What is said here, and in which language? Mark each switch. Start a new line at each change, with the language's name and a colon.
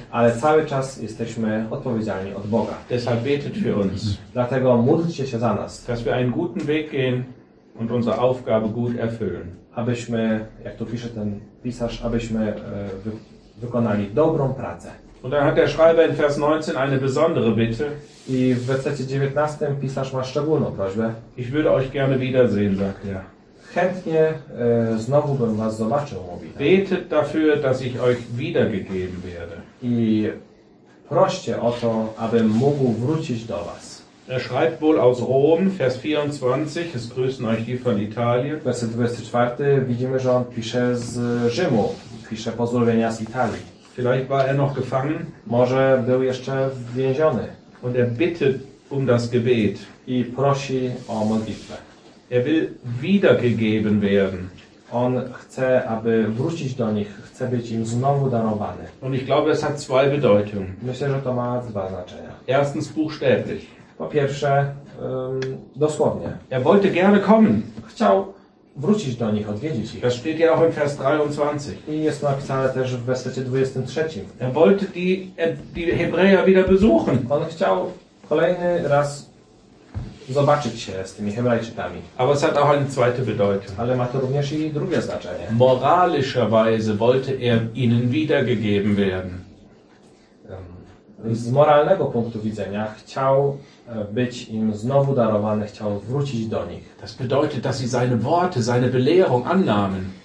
Polish: Ale cały czas jesteśmy odpowiedzialni od Boga.
German: Deshalb betet für uns.
Polish: Dlatego módlcie się za nas.
German: Dass wir einen guten Weg gehen und unsere Aufgabe gut erfüllen.
Polish: Abyśmy, jak tu pisze ten pisarz, abyśmy wykonali dobrą pracę.
German: Und dann hat der Schreiber in Vers 19 eine besondere Bitte.
Polish: I w wersecie 19 pisarz ma szczególną prośbę.
German: Ich würde euch gerne wiedersehen, sagt er.
Polish: Chętnie znowu bym was zobaczył, mówi.
German: Betet dafür, dass ich euch wiedergegeben werde.
Polish: I proście o to, abym mógł wrócić do was.
German: Er schreibt wohl aus Rom, Vers 24, es grüßen euch die von Italien.
Polish: Werset 24, widzimy, że on pisze z Rzymu. pisze pozdrowienia z Italii.
German: Vielleicht war er noch gefangen.
Polish: Może był jeszcze więziony.
German: Und er bittet um das Gebet.
Polish: I prosi o modlitwę.
German: Er will wiedergegeben werden.
Polish: On chce, aby wrócić do nich, chce być im znowu darowany.
German: Und ich glaube, es hat zwei Bedeutungen.
Polish: Myślę, że to ma dwa znaczenia.
German: Erstens buchstäblich.
Polish: Po pierwsze, dosłownie.
German: Er wollte gerne kommen.
Polish: Chciał wrócić do nich, odwiedzić ich.
German: Das steht ja auch in Vers 23.
Polish: I jest napisane też w wersecie 23.
German: Er wollte die Hebräer wieder besuchen.
Polish: On chciał kolejny raz zobaczyć się z tymi Hebrajczykami.
German: Aber es hat auch eine zweite Bedeutung.
Polish: Ale ma to również i drugie znaczenie.
German: Moralischerweise wollte er ihnen wiedergegeben werden.
Polish: Z moralnego punktu widzenia chciał być im znowu darowany, chciał wrócić do nich.
German: Das bedeutet, dass sie seine Worte, seine Belehrung annahmen.